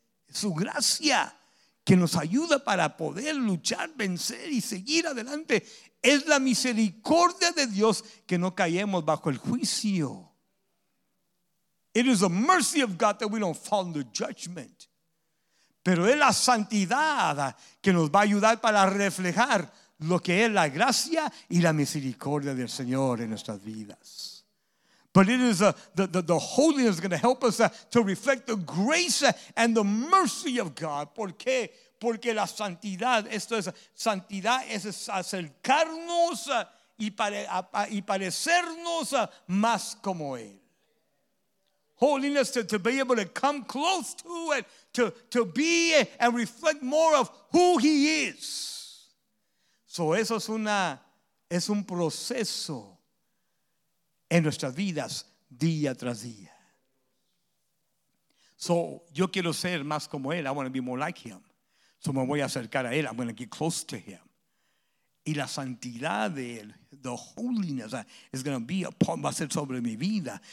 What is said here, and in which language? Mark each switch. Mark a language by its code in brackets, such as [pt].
[es] Su gracia que nos ayuda para poder luchar, vencer y seguir adelante. Es la misericordia de Dios que no caemos bajo el juicio. [en] It is the mercy of God that we don't fall into judgment. [es] Pero es la santidad que nos va a ayudar para reflejar lo que es la gracia y la misericordia del Señor en nuestras vidas. [en] But it is the holiness that's going to help us to reflect the grace and the mercy of God. [es] ¿Por qué? Porque la santidad, esto es, santidad es acercarnos y parecernos más como Él. [en] Holiness, to be able to come close to it, to be and reflect more of who He is. [es] So eso es una, es un proceso en nuestras vidas día tras día. So yo quiero ser más como Él. [en] I want to be more like Him. [es] So me voy a acercar a Él. [en] I'm going to get close to Him. [es] Y la santidad de Él, [en] the holiness, is going to be upon, [es] va a ser sobre mi vida.